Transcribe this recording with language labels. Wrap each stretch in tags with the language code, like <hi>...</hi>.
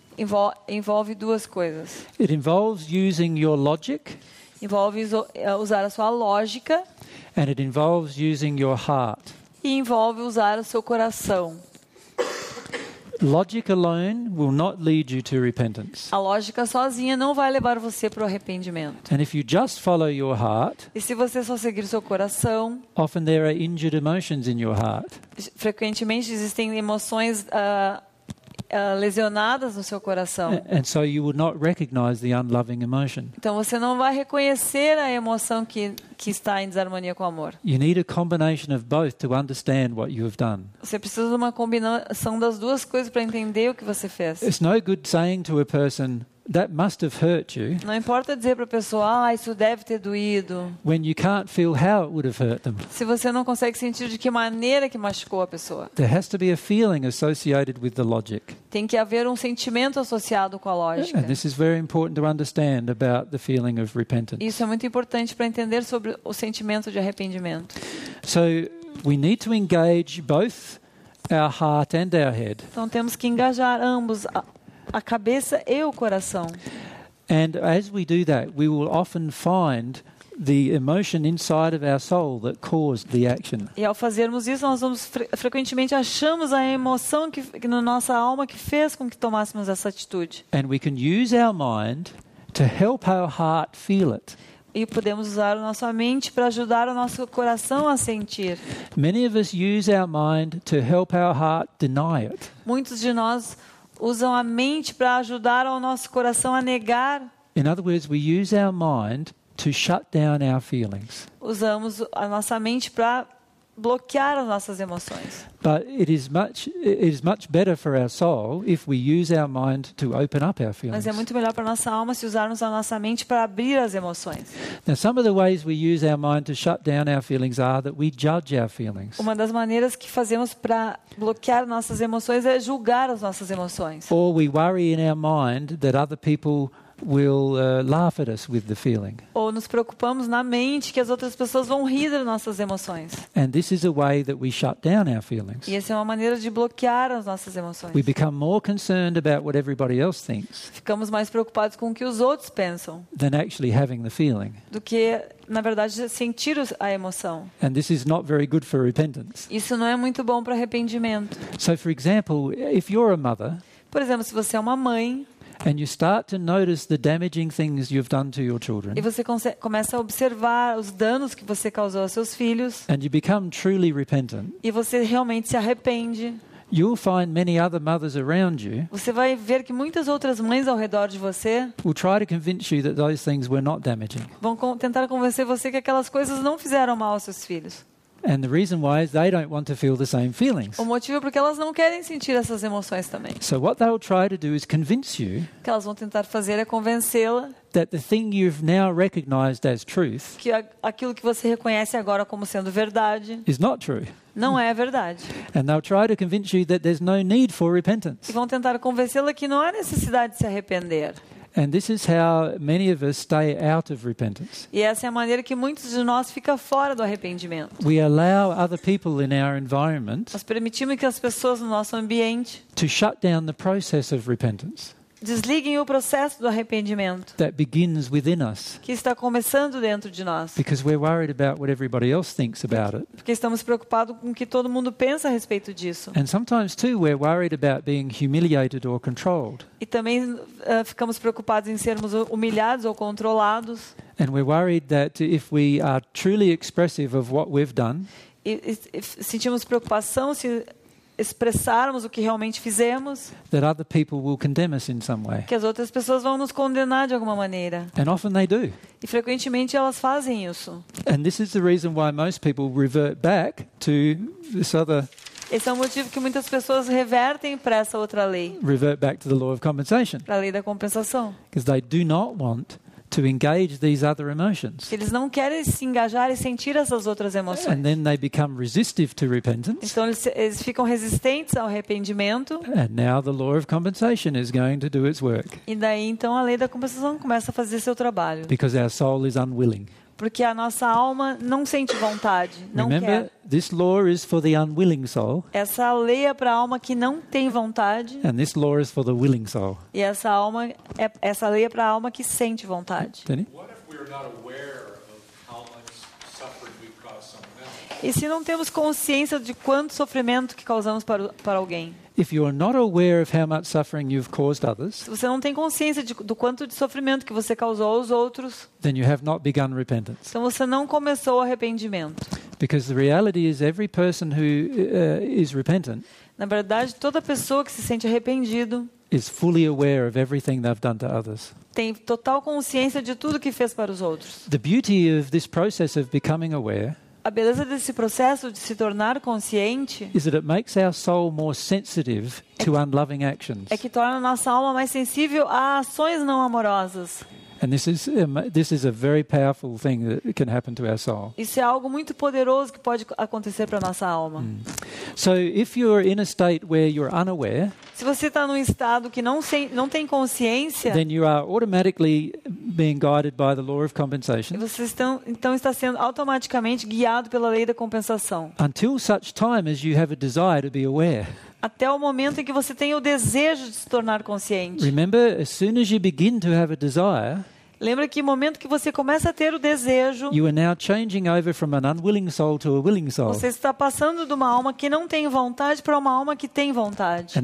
<pt>Envolve duas coisas.</pt> <en>It involves using your logic.</en> <pt>Envolve usar a sua lógica.</pt> <en>And it involves using your heart.</en> <pt>E envolve usar o seu coração.</pt> <en>Logic alone will not lead you to repentance.</en> <pt>A lógica sozinha não vai levar você para o arrependimento.</pt> <en>And if you just follow your heart,</en> <pt>e se você só seguir seu coração,</pt> <en>often there are injured emotions in your heart.</en> <pt>Frequentemente existem emoções lesionadas no seu coração.</pt> <en>And so you would not recognize the unloving emotion.</en> <pt>Então você não vai reconhecer a emoção que está em desarmonia com o amor.</pt> <en>You need a combination of both to understand what you have done.</en> <pt>Você precisa de uma combinação das duas coisas para entender o que você fez.</pt> <en>It's no good saying to a person that must have hurt you.</en> <pt>Não importa dizer para a pessoa, ah, isso deve ter doído.</pt> <en>When you can't feel how it would have hurt them.</en> <pt>Se você não consegue sentir de que maneira que machucou a pessoa.</pt> <en>There has to be a feeling associated with the logic.</en> <pt>Tem que haver um sentimento associado com a lógica.</pt> <en>And this is very important to understand about the feeling of repentance.</en> <pt>Isso é muito importante para entender sobre o sentimento de arrependimento.</pt> <en>So we need to engage both our heart and our head.</en> <pt>Então temos que engajar ambos. A cabeça e o coração.</pt> <en>And as we do that, we will often find the emotion inside of our soul that caused the action.</en> <pt>E ao fazermos isso, nós vamos frequentemente achamos a emoção que na nossa alma que fez com que tomássemos essa atitude.</pt> <en>And we can use our mind to help our heart feel it.</en> <pt>E podemos usar a nossa mente para ajudar o nosso coração a sentir.</pt> <en>Many of us use our mind to help our heart deny it.</en> <pt>Muitos de nós usam a mente para ajudar o nosso coração a negar.</pt> <en>In other words, we use our mind to shut down our feelings.</en> <pt>Usamos a nossa mente para bloquear as nossas emoções.</pt> <en>But it is much better for our soul if we use our mind to open up our feelings.</en> <pt>Mas é muito melhor para nossa alma se usarmos a nossa mente para abrir as emoções.</pt> <en>Now, some of the ways we use our mind to shut down our feelings are that we judge our feelings.</en> <pt>Uma das maneiras que fazemos para bloquear nossas emoções é julgar as nossas emoções.</pt> <en>Or we worry in our mind that other people will laugh at us with the feeling.</en> <pt>Ou nos preocupamos na mente que as outras pessoas vão rir das nossas emoções.</pt> <en>And this is a way that we shut down our feelings.</en> <pt>E essa é uma maneira de bloquear as nossas emoções.</pt> <en>We become more concerned about what everybody else thinks.</en> <pt>Ficamos mais preocupados com o que os outros pensam.</pt> <en>Than actually having the feeling.</en> <pt>Do que na verdade sentir a emoção.</pt> <en>And this is not very good for repentance.</en> <pt>Isso não é muito bom para arrependimento.</pt> <en>So for example, if you're a mother,</en> <pt>por exemplo, se você é uma mãe,</pt> <en>and you start to notice the damaging things you've done to your children.</en> <pt>E você começa a observar os danos que você causou aos seus filhos.</pt> <en>And you become truly repentant.</en> <pt>E você realmente se arrepende.</pt> <en>You'll find many other mothers around you.</en> <pt>Você vai ver que muitas outras mães ao redor de você.</pt> <en>Will try to convince you that those things were not damaging.</en> <pt>Vão tentar convencer você que aquelas coisas não fizeram mal aos seus filhos.</pt> <en>And the reason why is they don't want to feel the same feelings.</en> <pt>O motivo é porque elas não querem sentir essas emoções também.</pt> <en>So what they'll try to do is convince you.</en> <pt>O que elas vão tentar fazer é convencê-la.</pt> <en>That the thing you've now recognized as truth.</en> <pt>Que aquilo que você reconhece agora como sendo verdade.</pt> <en>Is not true.</en> <pt>Não é a verdade.</pt> <en>And they'll try to convince you that there's no need for repentance.</en> <pt>E vão tentar convencê-la que não há necessidade de se arrepender.</pt> <en>And this is how many of us stay out of repentance.</en> <pt>E essa é a maneira que muitos de nós fica fora do arrependimento.</pt> <en>We allow other people in our environment.</en> <pt>Nós permitimos que as pessoas no nosso ambiente</pt> <en>to shut down the process of repentance.</en> <pt>Desliguem o processo do arrependimento.</pt> <en>That begins within us.</en> <pt>Que está começando dentro de nós.</pt> <en>Because we're worried about what everybody else thinks about it.</en> <pt>Porque estamos preocupados com o que todo mundo pensa a respeito disso.</pt> <en>And sometimes too we're worried about being humiliated or controlled.</en> <pt>E também ficamos preocupados em sermos humilhados ou controlados.</pt> <en>And we're worried that if we are truly expressive of what we've done.</en> <pt>E sentimos preocupação se expressarmos o que realmente fizemos,</pt> <en>that other people will condemn us in some way.</en> <pt>Que as outras pessoas vão nos condenar de alguma maneira.</pt> <en>And often they do.</en> <pt>E frequentemente elas fazem isso.</pt> <en>And this is the reason why most people revert back to this other.</en> <pt>Esse é o motivo que muitas pessoas revertem para essa outra lei.</pt> <en>Revert back to the law of compensation.</en> <pt>Para a lei da compensação.</pt> <en>Because they do not want to engage these other emotions.</en> <pt>Eles não querem se engajar e sentir essas outras emoções.</pt> <en>And then they become resistive to repentance.</en> <pt>Então eles ficam resistentes ao arrependimento.</pt> <en>And now the law of compensation is going to do its work.</en> <pt>E daí então a lei da compensação começa a fazer seu trabalho.</pt> <en>Because our soul is unwilling.</en> <pt>Porque a nossa alma não sente vontade, não quer.</pt> <en>Remember, this law is for the unwilling soul.</en> <pt>Essa lei é para a alma que não tem vontade.</pt> <en>And this law is for the willing soul.</en> <pt>E essa alma é essa lei é para a alma que sente vontade.</pt> <en>Danny? What if we are not aware of how much suffering we've caused someone else?</en> <pt>E se não temos consciência de quanto sofrimento que causamos para alguém?</pt> <en>If you are not aware of how much suffering you've caused others,</en> <pt>você não tem consciência do quanto de sofrimento que você causou aos outros,</pt> <en>then you have not begun repentance.</en> <pt>Então você não começou o arrependimento.</pt> <en>Because the reality is every person who is repentant,</en> <pt>na verdade toda pessoa que se sente arrependido,</pt> <en>is fully aware of everything they've done to others.</en> <pt>Tem total consciência de tudo que fez para os outros.</pt> <en>The beauty of this process of becoming aware,</en> <pt>a beleza desse processo de se tornar consciente,</pt> <en>is that it makes our soul more sensitive to unloving actions.</en> <pt>É que torna nossa alma mais sensível a ações não amorosas.</pt> <en>And this is a very powerful thing that can happen to our soul.</en> <pt>Isso é algo muito poderoso que pode acontecer para nossa alma.</pt> <en>So if you're in a state where you're unaware,</en> <pt>se você está num estado que não tem consciência,</pt> <en>then you are automatically being guided by the law of compensation.</en> <pt>Você então está sendo automaticamente guiado pela lei da compensação.</pt> <en>Until such time as you have a desire to be aware.</en> <pt>Até o momento em que você tem o desejo de se tornar consciente.</pt> <en>Remember, as soon as you begin to have a desire,</en> <pt>lembra que no momento que você começa a ter o desejo,</pt> <en>you are now changing over from an unwilling soul to a willing soul.</en> <pt>Você está passando de uma alma que não tem vontade para uma alma que tem vontade.</pt>